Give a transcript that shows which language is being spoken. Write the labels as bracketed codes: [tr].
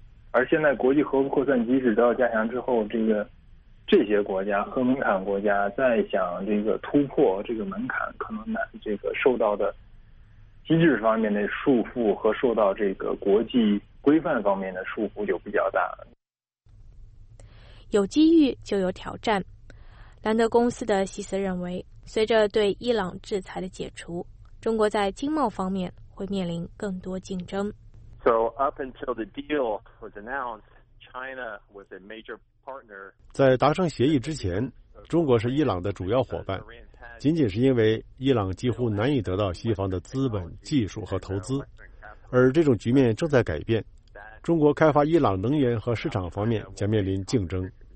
[zh] 而现在国际核不扩散机制得到加强之后，这些国家核门槛国家再想这个突破这个门槛，可能难，这个受到的机制方面的束缚和受到这个国际规范方面的束缚就比较大。有机遇就有挑战，兰德公司的西斯认为，随着对伊朗制裁的解除，中国在经贸方面会面临更多竞争。 [en] So up until the deal was announced, China was a major partner. [zh] 在达成协议之前，中国是伊朗的主要伙伴，仅仅是因为伊朗几乎难以得到西方的资本、技术和投资，而这种局面正在改变。中国开发伊朗能源和市场方面将面临竞争。